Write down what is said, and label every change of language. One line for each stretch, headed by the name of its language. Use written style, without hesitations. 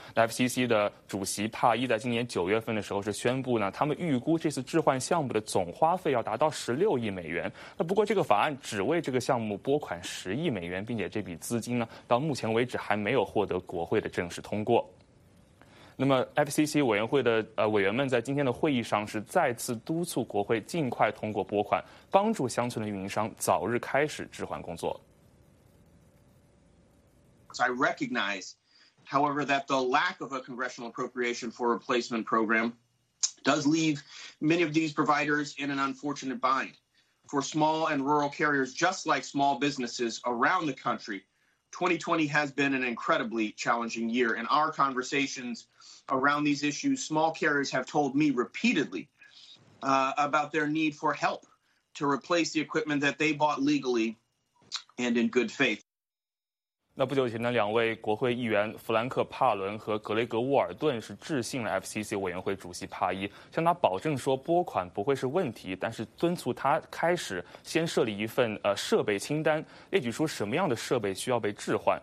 Chinese: FCC 的主席帕伊在今年9月份的时候是宣布呢，他们预估这次置换项目的总花费要达到16亿美元，那不过这个法案只为这个项目拨款10亿美元，并且这笔资金呢，到目前为止还没有获得国会的正式通过。那么 FCC 委员会的委员们在今天的会议上是再次督促国会尽快通过拨款，帮助乡村的运营商早日开始置换工作。
English: I recognize, however, that the lack of a congressional appropriation for replacement program does leave many of these providers in an unfortunate bind. For small and rural carriers, just like small businesses around the country, 2020 has been an incredibly challenging year. In our conversations around these issues, small carriers have told me repeatedly about their need for help to replace the equipment that they bought legally and in good faith.
Chinese: 那不久前呢，两位国会议员弗兰克·帕伦和格雷格·沃尔顿是致信了 FCC 委员会主席帕伊，向他保证说拨款不会是问题，但是敦促他开始先设立一份设备清单，列举出什么样的设备需要被置换。